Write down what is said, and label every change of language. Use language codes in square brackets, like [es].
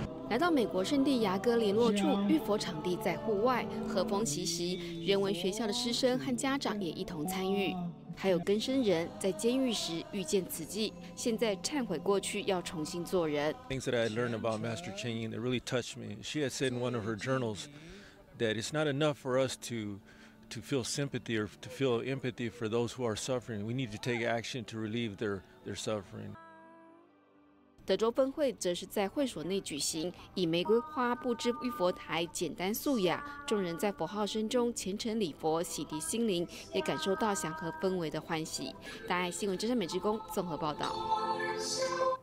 [zh] 来到美国圣地牙哥联络处，浴佛场地在户外，和风习习，人文学校的师生和家长也一同参与。还有更生人在监狱时遇见慈济，现在忏悔过去，要重新做人。 [en] Things that I learned about Master Chen Ying that really touched me. She had said in one of her journals that it's not enough for us to feel sympathy or to feel empathy for those who are suffering. We need to take action to relieve their suffering. [zh] 德州分会则是在会所内举行，以玫瑰花布置浴佛台，简单素雅。众人在佛号声中虔诚礼佛，洗涤心灵，也感受到祥和氛围的欢喜。大爱新闻真善美之工综合报道。